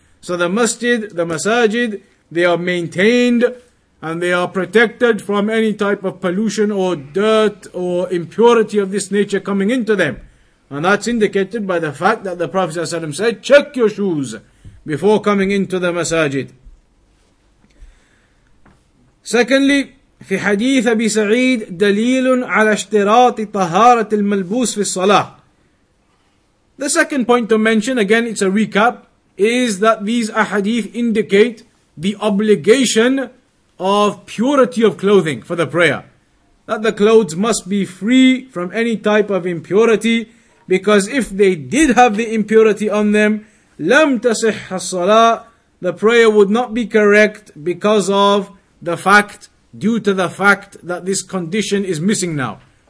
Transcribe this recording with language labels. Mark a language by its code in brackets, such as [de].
[en] So the masjid, the masajid, they are maintained and they are protected from any type of pollution or dirt or impurity of this nature coming into them. And that's indicated by the fact that the Prophet ﷺ said, check your shoes before coming into the masajid. [ar] Secondly, في حديث أبي سعيد دليل على اشتراط طهارة الملبوس في الصلاة. [en] The second point to mention, again it's a recap, is that these ahadith indicate the obligation of purity of clothing for the prayer. That the clothes must be free from any type of impurity, because if they did have the impurity on them, [ar] لم تصح الصلاة, [en] the prayer would not be correct because of the fact, due to the fact that this condition is missing now.